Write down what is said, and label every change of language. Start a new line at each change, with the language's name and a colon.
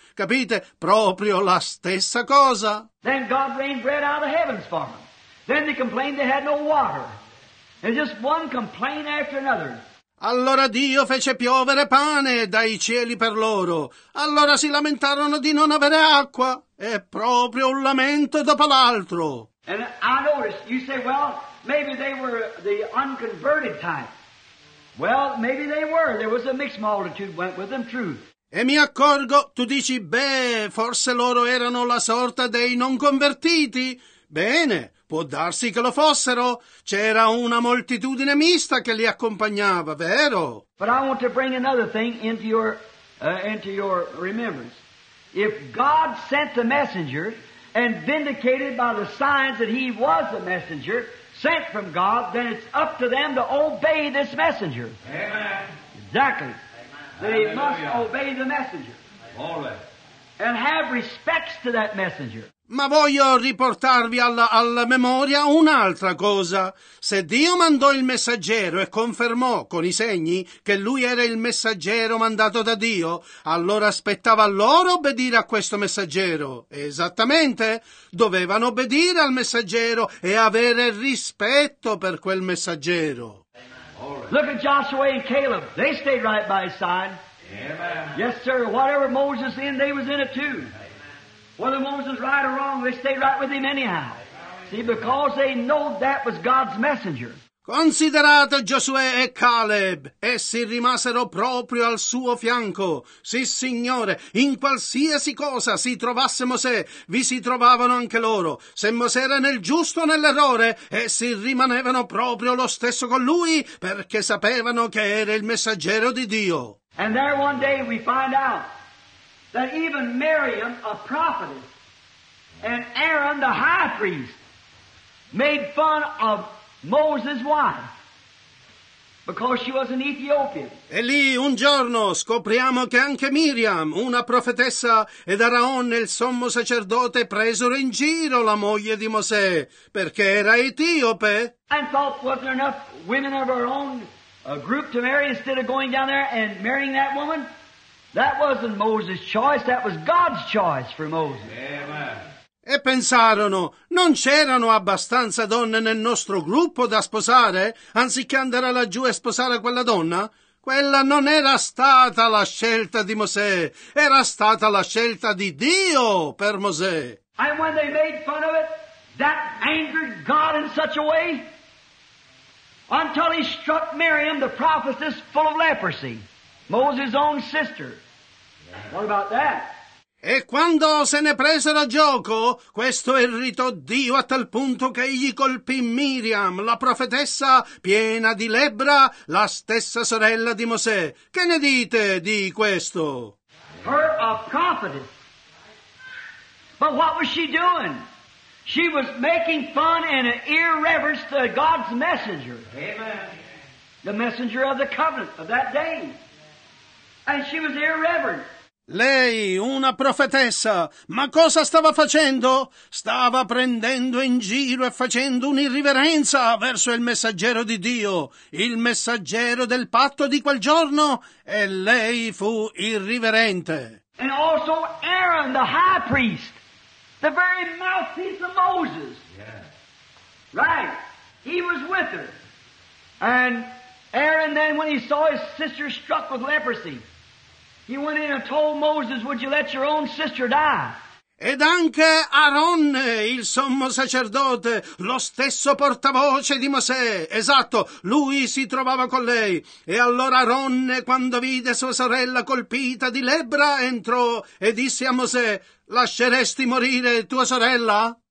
Italian: Capite? Proprio la stessa cosa.
English: Then God rained bread out of the heavens for them. Then they complained they had no water. And just one complaint after another.
Italian: Allora Dio fece piovere pane dai cieli per loro. Allora si lamentarono di non avere acqua. E proprio un lamento dopo l'altro.
English: And I noticed, you say, well, maybe they were the unconverted type. Well, maybe they were. There was a mixed multitude went with them, true.
Italian: E mi accorgo, tu dici, beh, forse loro erano la sorta dei non convertiti. Bene, può darsi che lo fossero. C'era una moltitudine mista che li accompagnava, vero?
English: But I want to bring another thing into your remembrance. If God sent the messenger and vindicated by the signs that he was a messenger, sent from God, then it's up to them to obey this messenger. Amen. Exactly. Amen. They Must obey the messenger. All right. And have respects to that messenger.
Italian: Ma voglio riportarvi alla memoria un'altra cosa. Se Dio mandò il messaggero e confermò con i segni che lui era il messaggero mandato da Dio, allora spettava loro obbedire a questo messaggero. Esattamente, dovevano obbedire al messaggero e avere rispetto per quel messaggero.
English: Right. Look at Joshua and Caleb. They stayed right by his side. Amen. Yes, sir. Whatever Moses in, they was in it too. Whether Moses was right or wrong, they stayed right with him anyhow. See, because they know that was God's messenger.
Italian: Considerate Giosuè e Caleb, essi rimasero proprio al suo fianco. Sì, Signore, in qualsiasi cosa si trovasse Mosè, vi si trovavano anche loro. Se Mosè era nel giusto o nell'errore, essi rimanevano proprio lo stesso con lui, perché sapevano che era il messaggero di Dio.
English: And there one day we find out that even Miriam, a prophetess, and Aaron, the high priest, made fun of Moses' wife because she was an Ethiopian.
Italian: E lì un giorno scopriamo che anche Miriam, una profetessa, ed Aaron, il sommo sacerdote, presero in giro la moglie di Mosè perché era etiope.
English: And thought, wasn't there enough women of our own group to marry instead of going down there and marrying that woman? That wasn't Moses' choice, that was God's choice for Moses. Amen.
Italian: E pensarono, non c'erano abbastanza donne nel nostro gruppo da sposare, anziché andare laggiù e sposare quella donna? Quella non era stata la scelta di Mosè, era stata la scelta di Dio per Mosè.
English: And when they made fun of it, that angered God in such a way, until he struck Miriam, the prophetess, full of leprosy. Moses' own sister. What about that?
Italian: E quando se ne presero a gioco, questo irritò Dio a tal punto che egli colpì Miriam, la profetessa piena di lebbra, la stessa sorella di Mosè. Che ne dite di questo?
English: Her a prophetess. But what was she doing? She was making fun and an irreverence to God's messenger. Amen. The messenger of the covenant of that day. And she was irreverent.
Italian: Lei, una profetessa, ma cosa stava facendo? Stava prendendo in giro e facendo un'irriverenza verso il messaggero di Dio, il messaggero del patto di quel giorno, e lei fu irriverente.
English: And also Aaron, the high priest, the very mouthpiece of Moses. Yeah. Right. He was with her. And Aaron then, when he saw his sister struck with leprosy, he went in and told Moses, would you let your own sister die?
Italian: Ed anche Aaron, il sommo sacerdote, lo stesso portavoce di Mosè. Esatto, lui si trovava con lei. E allora Aaron, quando vide sua sorella colpita di lebbra, entrò e disse a Mosè, lasceresti morire tua sorella?